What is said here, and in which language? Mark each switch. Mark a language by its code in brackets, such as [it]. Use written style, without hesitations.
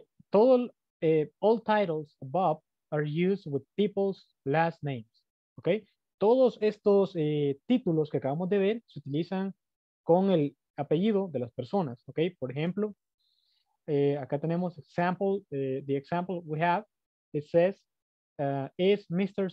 [es] Todo, [en] all titles above are used with people's last names. Ok. [es] Todos estos títulos que acabamos de ver se utilizan con el apellido de las personas. Ok. Por ejemplo, acá tenemos example. [en] The example we have, it says, is Mr.